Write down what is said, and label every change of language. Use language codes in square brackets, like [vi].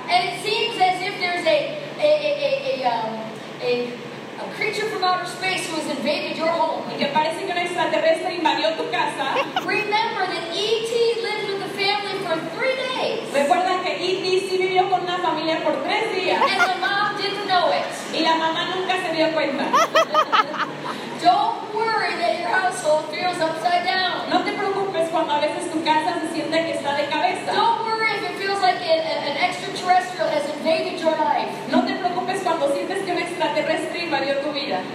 [en] And it seems as if there's a creature from outer space who has invaded your home. [es] Y que parece que un extraterrestre invadió tu casa. [en] Remember that E.T. lived with the family for 3 days. [es] Recuerda que E.T. sí vivió con una familia por 3 días. [en] And the mom didn't know it. [es] Y la mamá nunca se dio cuenta. [en] Don't worry that your household feels upside down. [es] No te veces tu casa se siente que está de cabeza. [en] Don't worry if it feels like an extraterrestrial has invaded your life. [es] No te preocupes cuando sientes que un extraterrestre invadió tu vida.